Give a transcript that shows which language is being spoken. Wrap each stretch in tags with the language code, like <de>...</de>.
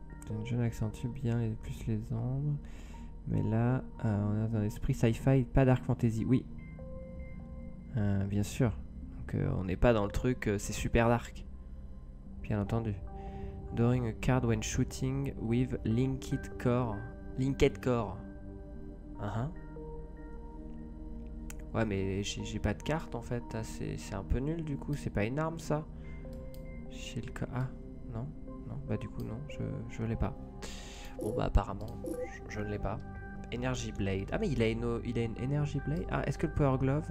<fr>Une jeune accentue bien et plus les ombres. Mais là, on a un esprit sci-fi, pas dark fantasy. Oui. Bien sûr. Donc on n'est pas dans le truc, c'est super dark. Bien entendu.</fr> <en>Drawing a card when shooting with linked core. Linked core.</en> <fr>Ouais, mais j'ai pas de carte en fait. Ah, c'est un peu nul du coup. C'est pas une arme ça. Shilka. Ah, non. Non, bah du coup non, je l'ai pas. Bon bah apparemment je ne l'ai pas. Energy Blade. Ah mais il a une Energy Blade. Ah, est-ce que le Power Glove?</fr>